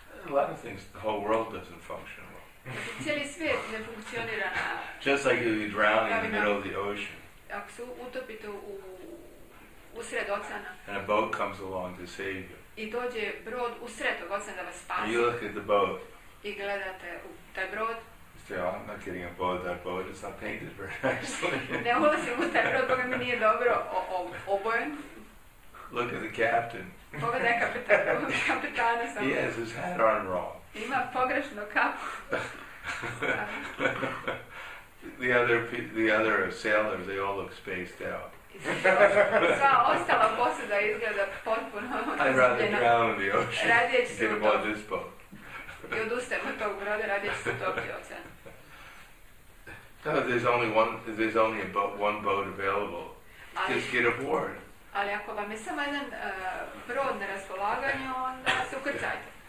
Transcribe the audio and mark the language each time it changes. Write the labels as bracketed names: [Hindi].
[English] A lot of things, the whole world doesn't function well. [Croatian] Cijeli svijet ne funkcionira. [English] Just like you drowning in the middle of the ocean. [Croatian] Ako se utopite usred oceana. [English] And a boat comes along to save you. [Croatian] I dođe brod usred oceana da vas spasi. [English] You look at the boat. [Croatian] I gledate u taj brod. [English] Say, oh, I'm not getting a boat, that boat is not painted very nicely. [Croatian] Ne ulazim u taj brod, boga mi nije dobro obojen. [English] Look at the captain. [Croatian] Pogledaj kapitana sam. [English] He has his hat on wrong. [Croatian] Ima pogrešnu kapu. [English] The other sailors, they all look spaced out. [Croatian] Sva ostala posada izgleda potpuno. [English] I'd rather drown in the ocean. Get aboard this boat. [Croatian] I odustajem od tog broda, radije ću se utopiti u ocean. [English] No, there's only one boat available. Just get aboard. [Croatian] Ali ako vam je samo jedan brod na raspolaganju, onda se ukrcajte.